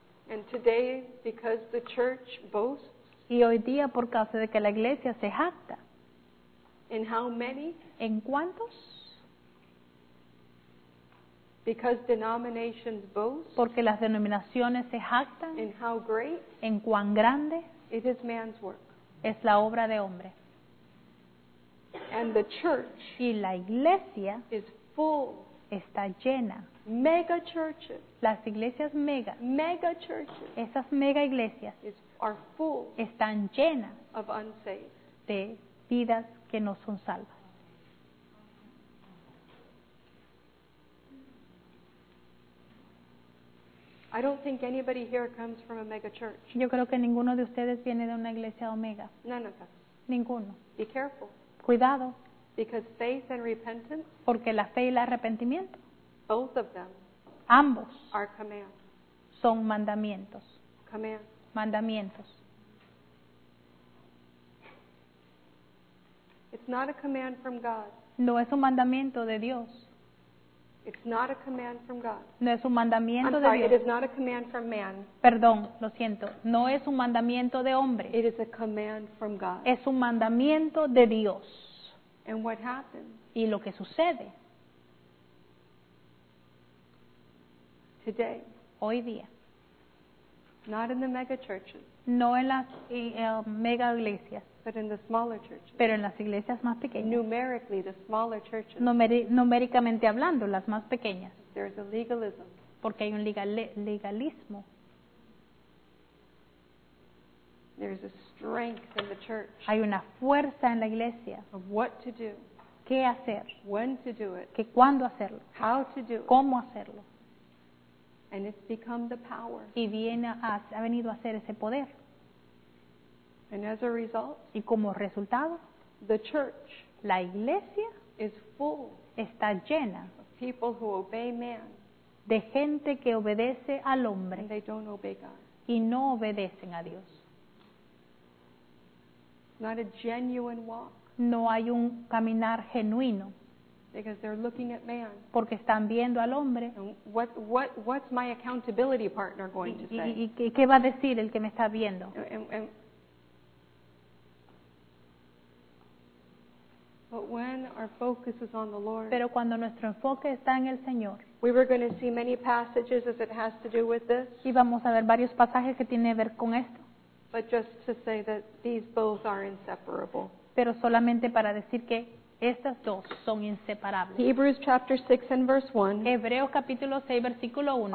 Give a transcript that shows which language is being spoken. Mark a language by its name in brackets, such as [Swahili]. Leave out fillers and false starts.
[English] And today, because the church boasts, [Spanish] y hoy día, por causa de que la iglesia se jacta, [English] In how many? [Spanish] ¿En cuántos? [English] Because denominations boast. [Spanish] Porque las denominaciones se jactan. [English] In how great? [Spanish] ¿En cuán grande? [English] It is man's work. [Spanish] Es la obra de hombre. [English] And the church. [Spanish] Y la iglesia. [English] Is full. [Spanish] Está llena. [English] Mega churches. [Spanish] Las iglesias mega. [English] Mega churches. [Spanish] Esas mega iglesias. [English] Is, are full. [Spanish] Están llenas. [English] Of unsaved. [Spanish] De vidas que no son salvas. [English] I don't think anybody here comes from a mega church. [Spanish] Yo creo que ninguno de ustedes viene de una iglesia omega. [English] None of us. [Spanish] Ninguno. [English] Be careful. [Spanish] Cuidado. [English] Because faith and repentance. [Spanish] Porque la fe y el arrepentimiento. [English] Both of them. [Spanish] Ambos. [English] Are commands. [Spanish] Son mandamientos. [English] Command. [Spanish] Mandamientos. [English] It's not a command from God. [Spanish] No es un mandamiento de Dios. [English] It's not a command from God. [Spanish] No es un mandamiento de Dios. [English] I'm sorry, it is not a command from man. [Spanish] Perdón, lo siento. No es un mandamiento de hombre. [English] It is a command from God. [Spanish] Es un mandamiento de Dios. [English] And what happens? [Spanish] Y lo que sucede. [English] Today. [Spanish] Hoy día. [English] Not in the mega churches. [Spanish] No en las mega iglesias. [English] But in the smaller churches. [Spanish] Pero en las iglesias más pequeñas. [English] Numerically, the smaller churches. [Spanish] Numéricamente hablando, las más pequeñas. [English] There is a legalism. [Spanish] Porque hay un legalismo. [English] There is a strength in the church. [Spanish] Hay una fuerza en la iglesia. [English] Of what to do. [Spanish] Qué hacer. [English] When to do it. [Spanish] Que cuándo hacerlo. [English] How to do it. [Spanish] Cómo hacerlo. [English] And it's become the power. [Spanish] Y ha venido a ser ese poder. [English] And as a result, [Spanish] y como resultado, [English] the church, [Spanish] la iglesia, [English] is full, [Spanish] está llena, [English] of people who obey man, [Spanish] de gente que obedece al hombre, [English] and they don't obey God, [Spanish] y no obedecen a Dios. [English] Not a genuine walk, [Spanish] no hay un caminar genuino, [English] because they're looking at man, [Spanish] porque están viendo al hombre, [English] and what's my accountability partner going to say, [Spanish] y qué va a decir el que me está viendo. [English] But when our focus is on the Lord, [Spanish] pero cuando nuestro enfoque está en el Señor, [English] we were going to see many passages as it has to do with this. [Spanish] Y vamos a ver varios pasajes que tiene que ver con esto. [English] But just to say that these both are inseparable. [Spanish] Pero solamente para decir que estas dos son inseparables. [English] Hebrews chapter 6 and verse 1. [Spanish] Hebreos capítulo 6 versículo 1.